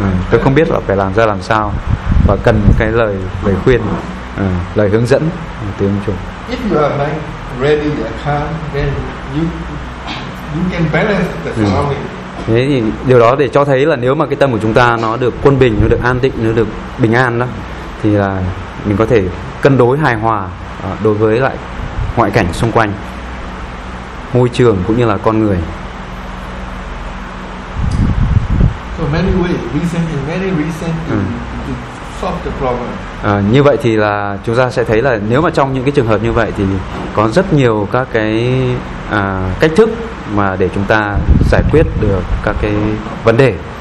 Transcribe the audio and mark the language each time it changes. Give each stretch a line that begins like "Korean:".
Vietnamese: Tôi không biết là phải làm ra làm sao và cần cái lời khuyên, lời hướng dẫn từ ông chủ.
English: If you are like ready and calm, then you can balance the surrounding.
Vietnamese: Thế thì điều đó để cho thấy là nếu mà cái tâm của chúng ta nó được quân bình, nó được an định, nó được bình an đó, thì là mình có thể cân đối hài hòa đối với lại ngoại cảnh xung quanh, môi trường cũng như là con người.
English: So many ways, recently, to solve the problem.
Vietnamese: Như vậy thì là chúng ta sẽ thấy là nếu mà trong những cái trường hợp như vậy thì có rất nhiều các cái cách thức mà để chúng ta giải quyết được các cái vấn đề.